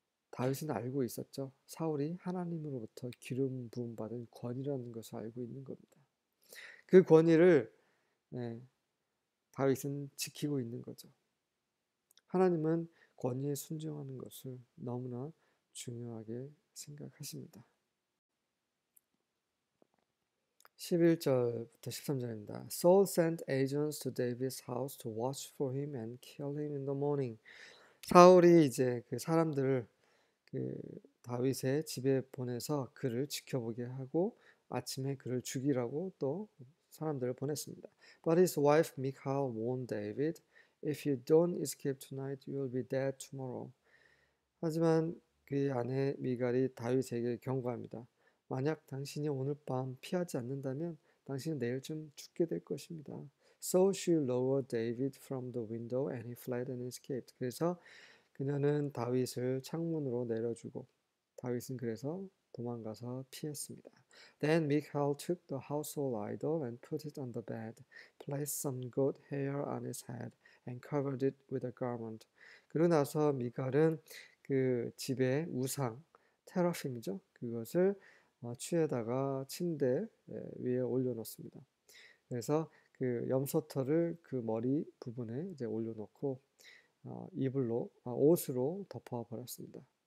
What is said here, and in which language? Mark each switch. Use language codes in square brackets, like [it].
[ko] 다윗은 알고 있었죠. 사울이 하나님으로부터 기름 부음 받은 권이라는 것을 알고 있는 겁니다. 그 권위를 다윗은 지키고 있는 거죠. 하나님은 권위에 순종하는 것을 너무나 중요하게 생각하십니다. 11절부터 13절입니다. [en] Saul sent agents to David's house to watch for him and kill him in the morning. [ko] 사울이 이제 그 사람들을 그 다윗의 집에 보내서 그를 지켜보게 하고 아침에 그를 죽이라고 또 사람들을 보냈습니다. [en] But his wife Michal warned David, "If you don't escape tonight, you'll be dead tomorrow." [ko] 하지만 그의 아내 미갈이 다윗에게 경고합니다. 만약 당신이 오늘 밤 피하지 않는다면 당신은 내일쯤 죽게 될 것입니다. [en] So she lowered David from the window and he fled and escaped. [ko] 그래서 그녀는 다윗을 창문으로 내려주고 다윗은 그래서 도망가서 피했습니다. [en] Then Michal took the household idol and put it on the bed, placed some goat hair on his head, and covered it with a garment. [ko] 그러고 나서 미갈은 그 집에 우상, 테라핌이죠? 그것을 취에다가 침대 위에 올려놓습니다. 그래서 그 염소털을 그 머리 부분에 이제 올려놓고 이불로 옷으로 덮어버렸습니다.